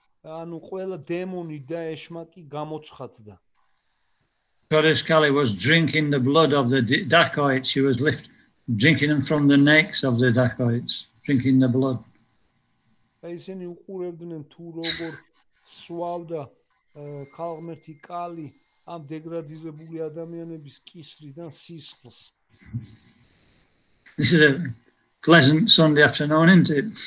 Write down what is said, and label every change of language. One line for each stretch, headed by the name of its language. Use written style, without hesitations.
Georgian: ანუ ყველა დემონი და ეშმაკი გამოცხადდა.
English: Goddess Kali was drinking the blood of the dacoits. She was drinking them from the necks of the dacoits, drinking the blood.
Georgian: ისინი უყურებდნენ თუ როგორ სვავდა ქალღმერთი კალი ამ დეგრადიზებული ადამიანების კისრიდან სისხლს.
English: This is a pleasant Sunday afternoon, isn't it?